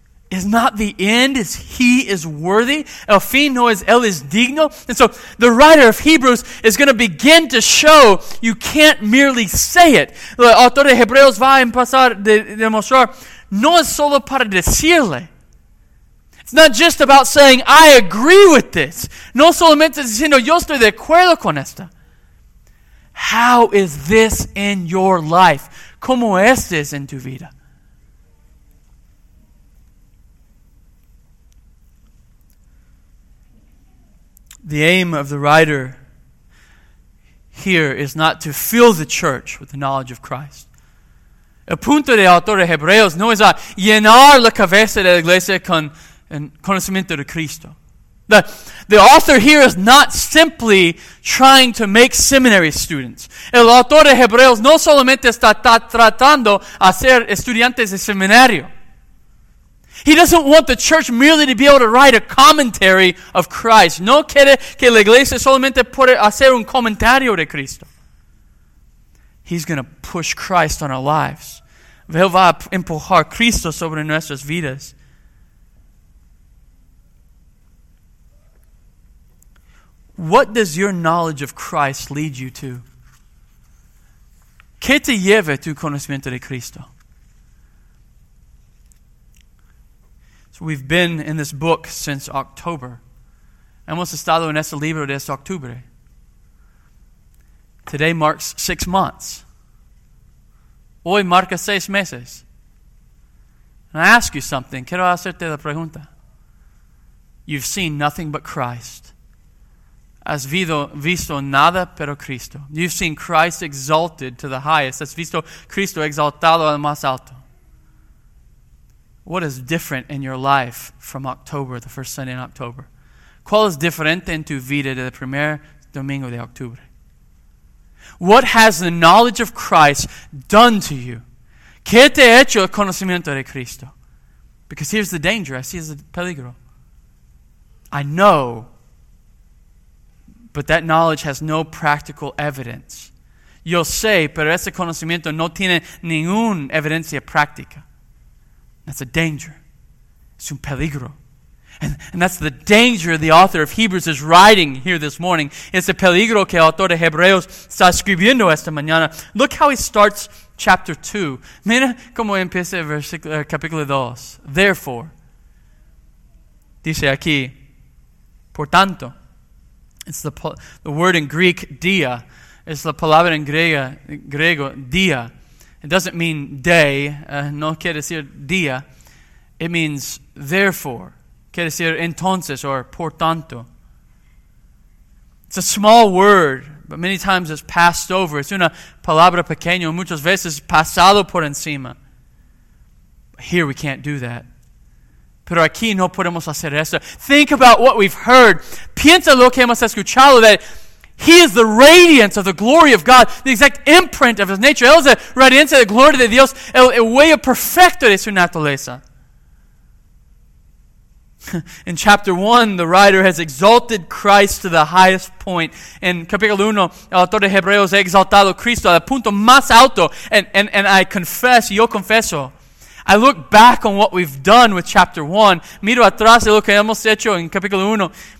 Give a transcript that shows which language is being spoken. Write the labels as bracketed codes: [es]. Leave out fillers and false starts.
[en] Is not the end. Is he is worthy. [es] El fin no es él es digno. [en] And so, the writer of Hebrews is going to begin to show you can't merely say it. [es] El autor de Hebreos va a empezar a demostrar. No es solo para decirle. [en] It's not just about saying, I agree with this. [es] No solamente diciendo, yo estoy de acuerdo con esta. [en] How is this in your life? [es] ¿Cómo es esto en tu vida? [en] The aim of the writer here is not to fill the church with the knowledge of Christ. [es] El punto del autor de Hebreos no es a llenar la cabeza de la iglesia con conocimiento de Cristo. [en] The author here is not simply trying to make seminary students. [es] El autor de Hebreos no solamente está tratando de ser estudiantes de seminario. [en] He doesn't want the church merely to be able to write a commentary of Christ. [es] No quiere que la iglesia solamente pueda hacer un comentario de Cristo. [en] He's going to push Christ on our lives. [es] Él va a empujar Cristo sobre nuestras vidas. [en] What does your knowledge of Christ lead you to? [es] ¿Qué te lleva tu conocimiento de Cristo? [en] So we've been in this book since October. [es] Hemos estado en este libro desde octubre. [en] Today marks 6 months. [es] Hoy marca 6 meses. [en] And I ask you something. [es] Quiero hacerte la pregunta. [en] You've seen nothing but Christ. [es] Has visto nada pero Cristo. [en] You've seen Christ exalted to the highest. [es] Has visto Cristo exaltado al más alto. [en] What is different in your life from October, the first Sunday in October? [es] ¿Cuál es diferente en tu vida del primer domingo de octubre? [en] What has the knowledge of Christ done to you? [es] ¿Qué te ha hecho el conocimiento de Cristo? [en] Because here's the danger. I see the peligro. I know, but that knowledge has no practical evidence. [es] Yo sé, pero ese conocimiento no tiene ninguna evidencia práctica. [en] That's a danger. It's [es] un peligro. [en] And that's the danger the author of Hebrews is writing here this morning. [es] Es el peligro que el autor de Hebreos está escribiendo esta mañana. [en] Look how he starts chapter 2. [es] Mira cómo empieza el capítulo 2. [en] Therefore, [es] dice aquí, por tanto, [en] it's the word in Greek, dia. It's the [es] palabra en griego, [en] dia. It doesn't mean day. [es] No quiere decir dia. [en] It means therefore. [es] Quiere decir entonces or por tanto. [en] It's a small word, but many times it's passed over. [es] It's una palabra pequeña, muchas veces pasado por encima. [en] Here we can't do that. [es] Pero aquí no podemos hacer esto. [en] Think about what we've heard. [es] Piensa lo que hemos escuchado, [en] that he is the radiance of the glory of God, the exact imprint of his nature. [es] Él es la radiancia de gloria de Dios, el huella perfecto de su naturaleza. [en] In chapter 1, the writer has exalted Christ to the highest point. [es] In capítulo 1, el autor de Hebreos ha exaltado Cristo al punto más alto. [en] And I confess, [es] yo confeso, [en] I look back on what we've done with chapter 1. [es] Miro atrás de lo que hemos hecho en capítulo 1.